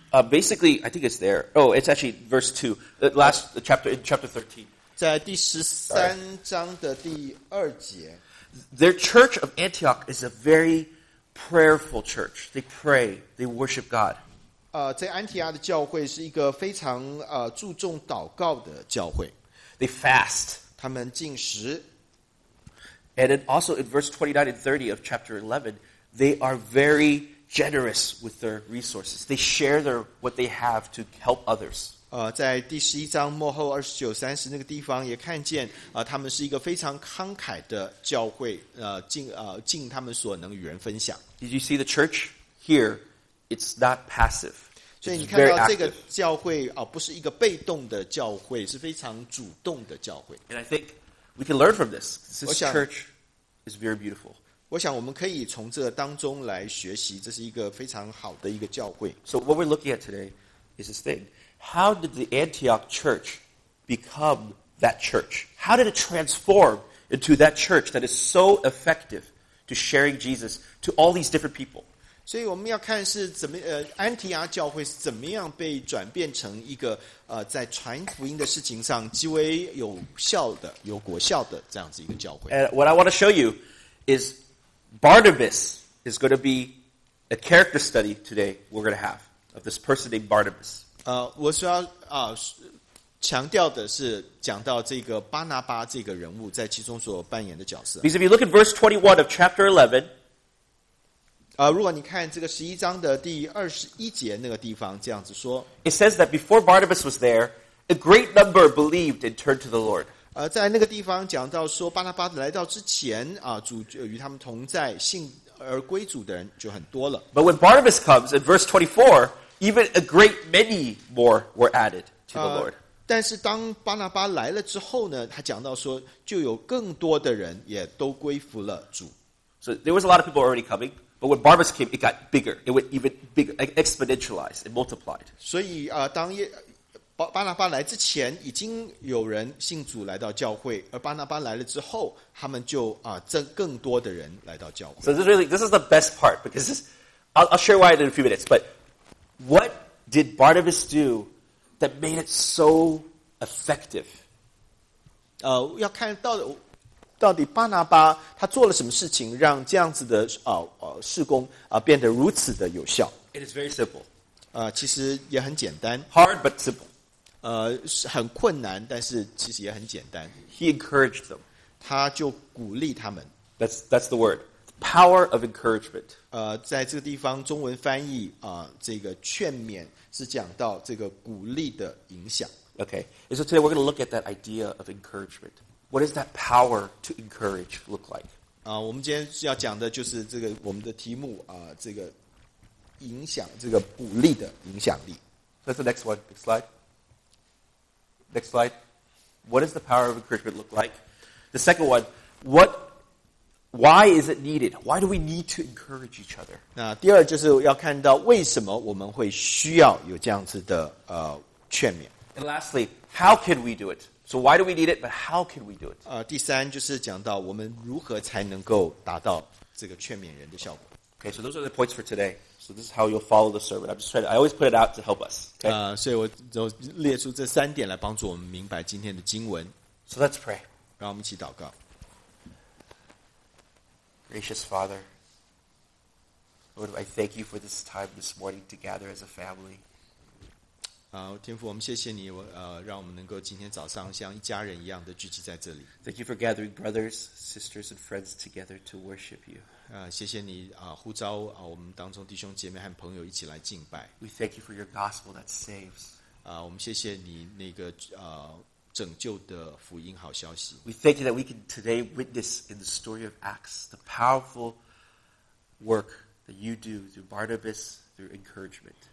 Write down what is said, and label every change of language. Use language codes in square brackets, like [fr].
[en] Basically, I think it's there. Oh, it's actually verse 2, the last chapter in chapter 13. [zh] 在第十三章的第二节。 [en] Their church of Antioch is a very prayerful church. They pray. They worship God. [zh] 在安提阿的教会是一个非常注重祷告的教会。 [en] They fast. [zh] 他们禁食。 [en] And then also in verse 29 and 30 of chapter 11, they are very generous with their resources. They share what they have to help others. [zh] 在第十一章末后二十九三十那个地方也看见他们是一个非常慷慨的教会尽他们所能与人分享。 [en] Did you see the church here? It's not passive. [zh] 所以你看到这个教会不是一个被动的教会，是非常主动的教会。 [en] And I think we can learn from this. This church is very beautiful. [zh] 我想我们可以从这当中来学习，这是一个非常好的一个教会。 [en] So what we're looking at today is this thing. How did the Antioch church become that church? How did it transform into that church that is so effective to sharing Jesus to all these different people? [zh] 所以我们要看是怎么安提阿教会是怎么样被转变成一个在传福音的事情上极为有效的、有果效的这样子一个教会。 [en] And what I want to show you is Barnabas is going to be a character study today we're going to have of this person named Barnabas. [zh] 我需要强调的是讲到这个巴拿巴这个人物在其中所扮演的角色。 [en] Because if you look at verse 21 of chapter 11, [zh] 如果你看这个十一章的第二十一节那个地方，这样子说 [en] ，It says that before Barnabas was there, a great number believed and turned to the Lord. [zh] 在那个地方讲到说巴拿巴来到之前啊，主与他们同在，信而归主的人就很多了。 [en] But when Barnabas comes in verse 24, even a great many more were added to the Lord. [zh] 但是当巴拿巴来了之后呢，他讲到说，就有更多的人也都归服了主。 [en] So there was a lot of people already coming, but when Barnabas came, it got bigger. It went even bigger, exponentialized, it multiplied. [zh] 所以当巴拿巴来之前，已经有人信主来到教会，而巴拿巴来了之后，他们就更多的人来到教会。 [en] So this is the best part because I'll share why in a few minutes. But what did Barnabas do that made it so effective? [zh] 要看到底巴拿巴他做了什么事情，让这样子的事工变得如此的有效。 [en] It is very simple. [zh] 其实也很简单。 [en] Hard but simple. [zh] 很困难，但是其实也很简单。 [en] He encouraged them. [zh] 他就鼓励他们。 [en] That's the word. Power of encouragement. [zh] 在这个地方中文翻译这个劝勉是讲到这个鼓励的影响。 [en] Okay. And so today we're going to look at that idea of encouragement. What does that power to encourage look like? [zh] 我们今天要讲的就是这个我们的题目这个影响，这个鼓励的影响力。 [en] That's the next one. Next slide. Next slide. What does the power of encouragement look like? The second one, why is it needed? Why do we need to encourage each other? [zh] 那第二就是要看到为什么我们会需要有这样子的劝勉。 [en] And lastly, how can we do it? So why do we need it, but how can we do it? [zh] 第三就是讲到我们如何才能够达到这个劝勉人的效果。 [en] Okay, so those are the points for today. So this is how you'll follow the sermon. I'm just trying to, I always put it out to help us. Okay? [zh] 所以我就列出这三点来帮助我们明白今天的经文。 [en] So let's pray. [zh] 让我们一起祷告。 [en] Gracious Father, Lord, I thank you for this time this morning to gather as a family. [zh] 天父，我们谢谢你，让我们能够今天早上像一家人一样的聚集在这里。 [en] Thank you for gathering brothers, sisters, and friends together to worship you. [zh] 谢谢你呼召我们当中弟兄姐妹和朋友一起来敬拜。 [en] We thank you for your gospel that saves. [zh] 我们谢谢你那个拯救的福音好消息。 [en] We thank you that we can today witness in the story of Acts the powerful work that you do through Barnabas through encouragement.